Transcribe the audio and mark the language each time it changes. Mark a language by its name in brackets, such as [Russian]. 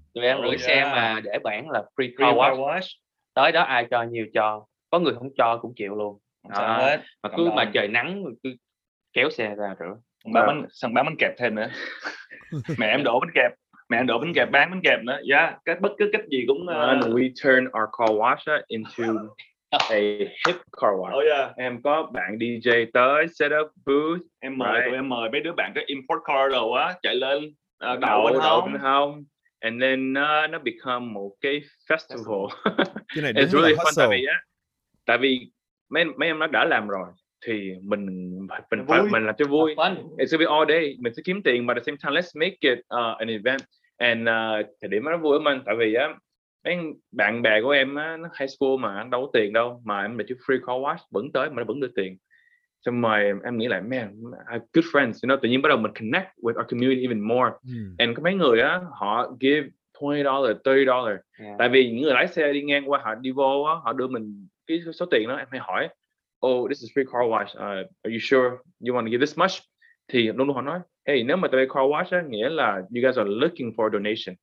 [Vietnamese] Tụi em rửa xe mà để bảng là free car wash. Tới đó ai cho nhiều cho, có người không cho cũng chịu luôn. Mà cứ mà trời nắng cứ kéo xe ra rửa. Bán bánh kẹp thêm nữa. mẹ em đổ bánh kẹp bán bánh kẹp nữa. Cái bất cứ cách gì cũng [English] We turn our car wash into a hip car wash. [Vietnamese] Em có bạn DJ tới set up booth, em mời tụi em mời mấy đứa bạn có import car đồ á chạy lên đậu bên hông and then nó become một cái festival. [English] It's really fun hustle. [Vietnamese] tại vì mấy em nó đã làm rồi thì mình làm cho vui. [English] It's gonna be all day. Mình sẽ kiếm tiền, but at the same time, let's make it an event. [Vietnamese] And thời điểm nó vui với mình, tại vì mấy bạn bè của em nó high school mà anh đâu có tiền đâu, mà em để cho free car wash vẫn tới mà nó vẫn đưa tiền. Xong rồi em nghĩ lại, man, good friends, you know, tự nhiên bắt đầu mình connect with our community even more. And có mấy người họ give $20, $30. Tại vì những người lái xe đi ngang qua, họ đi vô, họ đưa mình cái số tiền đó, em hay hỏi, oh, this is free car wash. [English] Are you sure you want to give this much? [Vietnamese] Thì luôn luôn họ nói, hey, nếu mà tại car wash nghĩa là you guys are looking for a donation.